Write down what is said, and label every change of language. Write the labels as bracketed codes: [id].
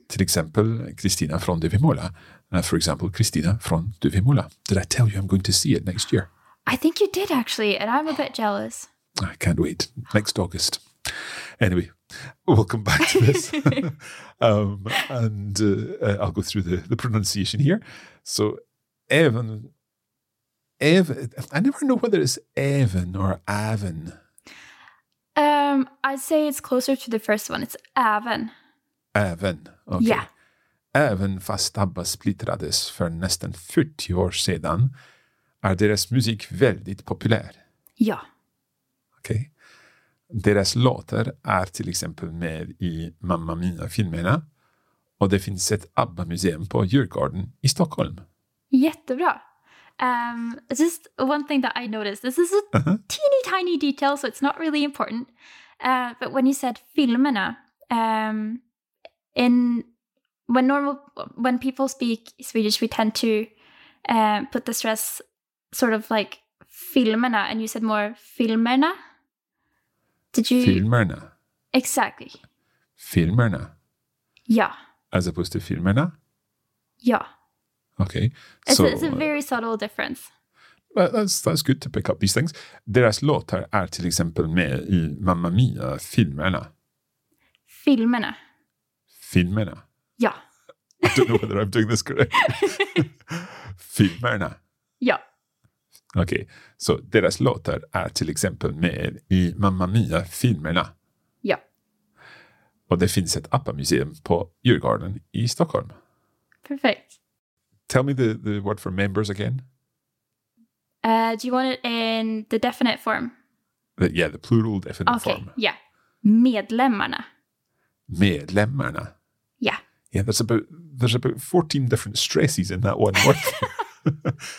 [sv] Till exempel, Kristina från Duvemåla. [en] For example, [sv] Kristina från Duvemåla. [en] Did I tell you I'm going to see it next year? I think you did, actually, and I'm a bit jealous. I can't wait. Next August. Anyway, we'll come back to this. I'll go through the pronunciation here. So, Evan, I never know whether it's Evan or Avon. I'd say it's closer to the first one. It's Avon. Avon, okay. Yeah. [sv] Även fast ABBA splittrades för nästan 40 år sedan är deras musik väldigt populär. Ja. Okej. Okay. Deras låtar är till exempel med i Mamma Mia-filmerna och det finns ett ABBA-museum på Djurgården i Stockholm. [en] Jättebra. Just one thing that I noticed. This is a teeny tiny detail, so it's not really important. But when you said filmerna, when people speak Swedish, we tend to put the stress sort of like filmerna, and you said more filmerna. Did you? [sv] Filmerna. [en] Exactly. [sv] Filmerna. [en] Yeah. As opposed to filmerna. Yeah. Okay. It's a very subtle difference. Well, that's good to pick up these things. [sv] Deras låtar är till exempel med i Mamma Mia filmerna. Filmerna. Filmerna. [en] Yeah. I don't know whether I'm doing this correctly. [sv] Filmerna. [en] Yeah. Okay. [sv] So deras låtar är till exempel med i Mamma Mia filmerna. [en] Yeah. [sv] Och det finns ett ABBA-museum på Djurgården i Stockholm. [en] Perfect. Tell me the word for members again. Do you want it in the definite form? The plural definite form. Okay, yeah. Medlemmarna. [sv] Medlemmarna. [en] Yeah. Yeah, there's about 14 different stresses in that one word.